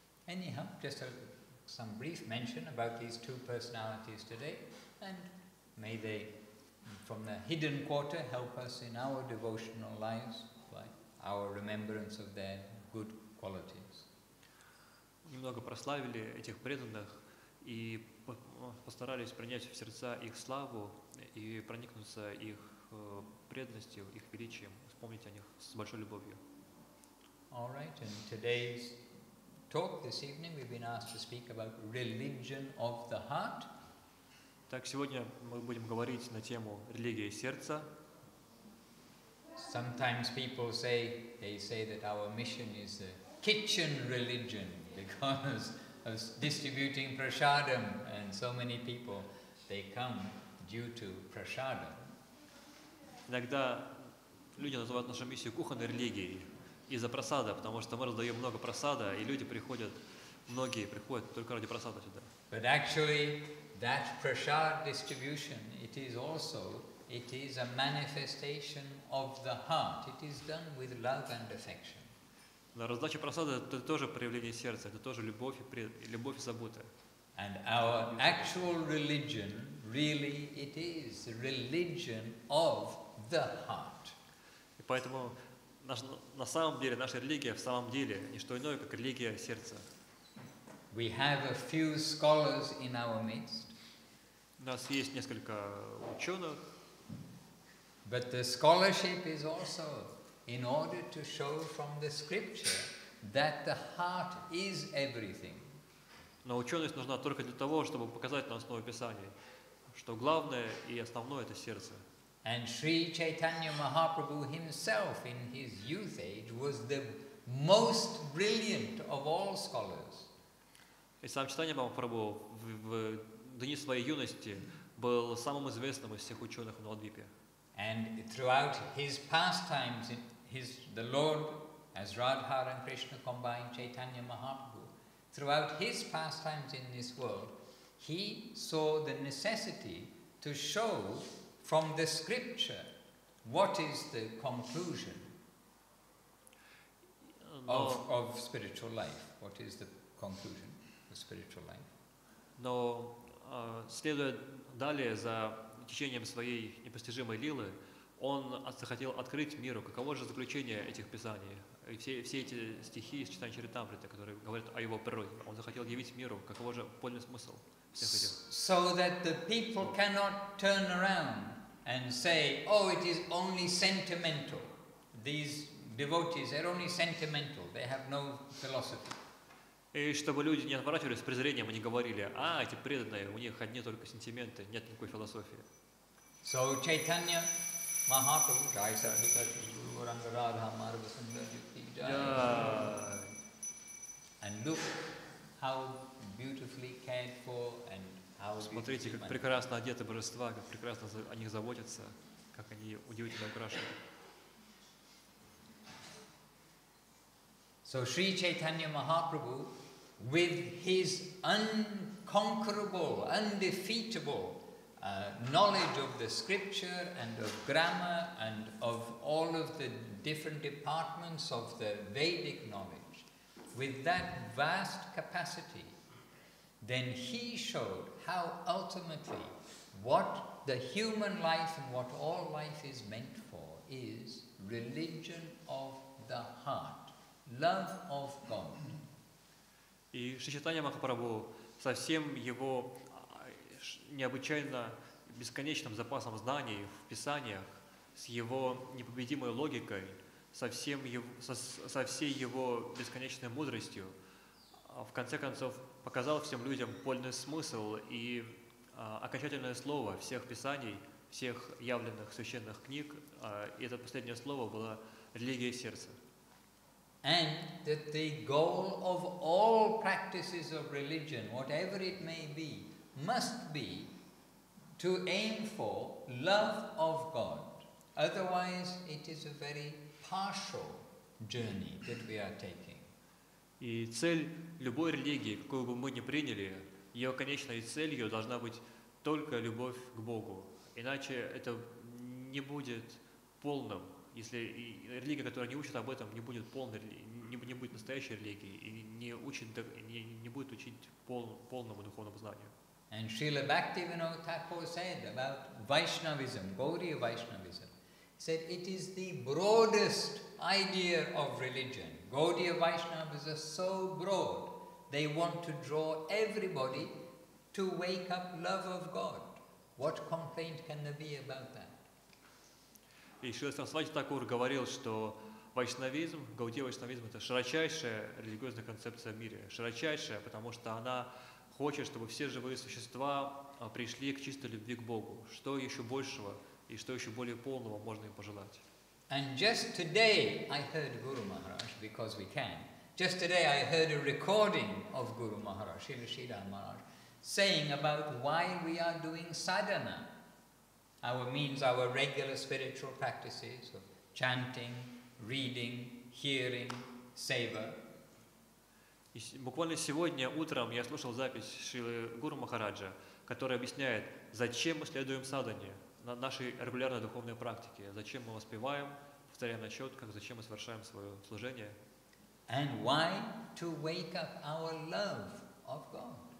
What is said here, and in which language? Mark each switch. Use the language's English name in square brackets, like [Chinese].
[English] Anyhow, just some brief mention about these two personalities today, and may they, from the hidden quarter, help us in our devotional lives by our remembrance of their good qualities. [Russian] Немного прославили этих преданных и постарались принять в сердца их славу и проникнуться их преданностью, их величием, вспомнить о них с большой любовью. [English] All right, and today's talk this evening, we've been asked to speak about religion of the heart. [Russian] Так сегодня мы будем говорить на тему религии сердца. [English] Sometimes people say that our mission is a kitchen religion because of distributing prasadam, and so many people they come due to prasadam. [Russian] Иногда люди называют нашу миссию кухонной религией. Из-за просада, потому что мы раздаем много просада, и люди приходят, многие приходят только ради просада сюда. [English] But actually, that prasad distribution, it is a manifestation of the heart. It is done with love and affection. [Russian] Но раздача просада – это тоже проявление сердца, это тоже любовь и забота. [English] And our actual religion, really, it is religion of the heart. [Russian] И поэтому на самом деле наша религия в самом деле не что иное, как религия сердца. [English] We have a few scholars in our midst. [Russian] У нас есть несколько ученых. [English] But the scholarship is also in order to show from the scripture that the heart is everything. [Russian] Но ученость нужна только для того, чтобы показать на основе Писания, что главное и основное — это сердце. [English] And Sri Chaitanya Mahaprabhu himself, in his youth age, was the most brilliant of all scholars. [Russian] И сам Чайтанья Махапрабху в дни своей юности был самым известным из всех ученых в Навадвипе. [English] And throughout his pastimes, the Lord, as Radha and Krishna combined, Chaitanya Mahaprabhu, throughout his pastimes in this world, he saw the necessity to show from the scripture, what is the conclusion of spiritual life? What is the conclusion of spiritual life? [Russian] Но следуя далее за течением своей непостижимой лилы, он захотел открыть миру, каково же заключение этих писаний и все эти стихи из Читания Чаритамриты, которые говорят о его природе. Он захотел явить миру, каково же подлинный смысл всех этих. [English] So that the people cannot turn around and say, oh, it is only sentimental. These devotees, they're only sentimental. They have no philosophy. [Russian] И чтобы люди не отворачивались с презрением и не говорили, а, эти преданные, у них одни только сентименты, нет никакой философии. [English] So, Chaitanya Mahaprabhu, Jai Sarvati, Guru Ranga Radha, Marva Sundarjukti, Jai. And look how beautifully cared for and [Russian] смотрите, как прекрасно одеты божества, как прекрасно о них заботятся, как они удивительно украшены. [English] So Sri Chaitanya Mahaprabhu, with his unconquerable, undefeatable knowledge of the scripture and of grammar and of all of the different departments of the Vedic knowledge, with that vast capacity, then he showed how ultimately what the human life and what all life is meant for is religion of the heart, love of God. [Russian] И Шри Чайтанья Махапрабху со всем его необычайно бесконечным запасом знаний в Писаниях, с его непобедимой логикой, со всей его бесконечной мудростью, в конце концов показал всем людям полный смысл и окончательное слово всех Писаний, всех явленных священных книг, и это последнее слово было «религия сердца». [English] And that the goal of all practices of religion, whatever it may be, must be to aim for love of God. Otherwise, it is a very partial journey that we are taking. [Russian] И цель любой религии, какую бы мы ни приняли, ее конечной целью должна быть только любовь к Богу. Иначе это не будет полным. Если религия, которая не учит об этом, не будет полной, не будет настоящей религией и не будет учить полному духовному знанию. [English] And Srila Bhaktivinoda Thakur said about Vaishnavism, Gaudiya Vaishnavism, said it is the broadest idea of religion. Gaudiya Vaishnavas are so broad, they want to draw everybody to wake up love of God. What complaint can there be about that? [Russian] И Шрила Сарасвати Такур говорил, что вайшнавизм, гаудия вайшнавизм — это широчайшая религиозная концепция в мире. Широчайшая, потому что она хочет, чтобы все живые существа пришли к чистой любви к Богу. Что еще большего и что еще более полного можно им пожелать? [English] And just today I heard Guru Maharaj, because we can. Just today I heard a recording of Guru Maharaj, Shri Shida Maharaj, saying about why we are doing sadhana. Our means, our regular spiritual practices of chanting, reading, hearing, seva. [Russian] Буквально сегодня утром я слушал запись Шрилы Гуру Махараджа, которая объясняет, зачем мы следуем садхане, нашей регулярной духовной практике, зачем мы воспеваем, повторяя на четках, зачем мы совершаем свое служение. [English] And why to wake up our love of God.